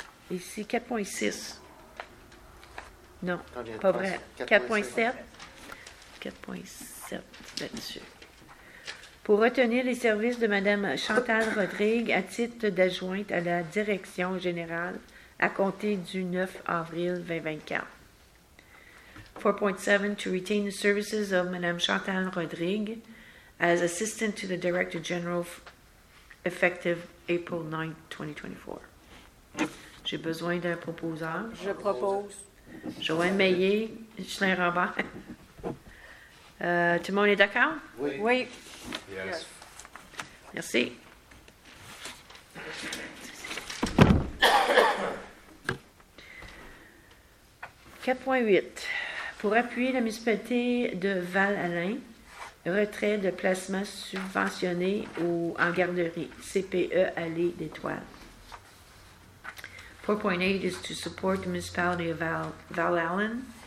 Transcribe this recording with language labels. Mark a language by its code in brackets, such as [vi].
[fr] Ici, 4.6. Non, pas vrai. 4.7. 4.7 là-dessus. Pour retenir les services de Mme Chantal Rodrigue à titre d'adjointe à la direction générale à compter du 9 avril 2024. [en] 4.7, to retain the services of Mme Chantal Rodrigue as assistant to the director general effective April 9, 2024. [fr] J'ai besoin d'un proposeur. Je propose. Joanne Meillet, Justin Robert. Tout le monde est d'accord? Oui. Oui. [en] Yes. [fr] Merci. Pour appuyer la municipalité de Val-Alain, retrait de placement subventionné ou en garderie, CPE Allée d'Étoile. [en] 4.8 is to support the municipality of Val-Alain.